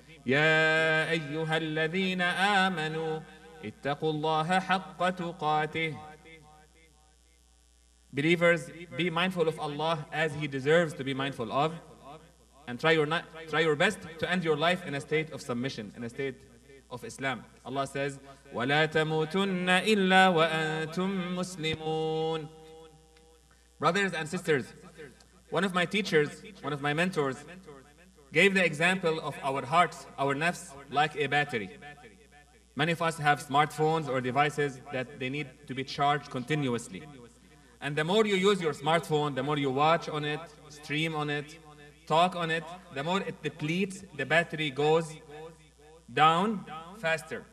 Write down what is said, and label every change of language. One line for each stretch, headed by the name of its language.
Arabic: يا أيها الذين آمنوا اتقوا الله حق تقاته.
English: Believers, be mindful of Allah as He deserves to be mindful of. And try your best to end your life in a state of submission, in a state of Islam. Allah says,
Arabic: وَلَا تَمُوتُنَّ إِلَّا وَأَنْتُمْ مُسْلِمُونَ.
English: Brothers and sisters, one of my teachers, one of my mentors, gave the example of our hearts, our nafs, like a battery. Many of us have smartphones or devices that they need to be charged continuously. And the more you use your smartphone, the more you watch on it, stream on it, talk on it, the more it depletes, the battery goes down faster.